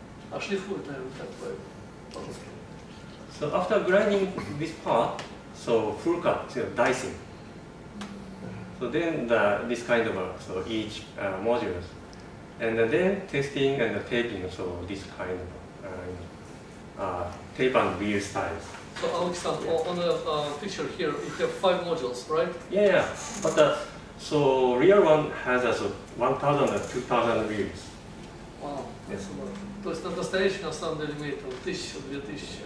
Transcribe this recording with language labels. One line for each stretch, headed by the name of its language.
Russian: А шлифуют, наверное, так по-русски.
English: So after grinding this part, so full cut, so dicing. So then this kind of so each modules, and then testing and taping. So this kind of tape and wheel styles. So Alex-san, on the picture here, you have five modules, right? Yeah. But so real one has a 1,000 or 2,000 wheels. Wow. Yes.
Russian: То есть на настоящий на самом деле имеет 1000-2000.